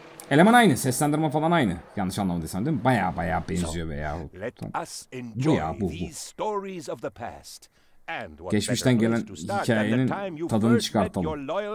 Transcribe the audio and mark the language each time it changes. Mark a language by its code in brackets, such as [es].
[tr] Eleman aynı, seslendirme falan aynı. Yanlış anlamadıysam değil mi? Baya benziyor be ya. [en] Let us enjoy these stories of the past. [tr] Geçmişten gelen hikayenin tadını çıkartalım.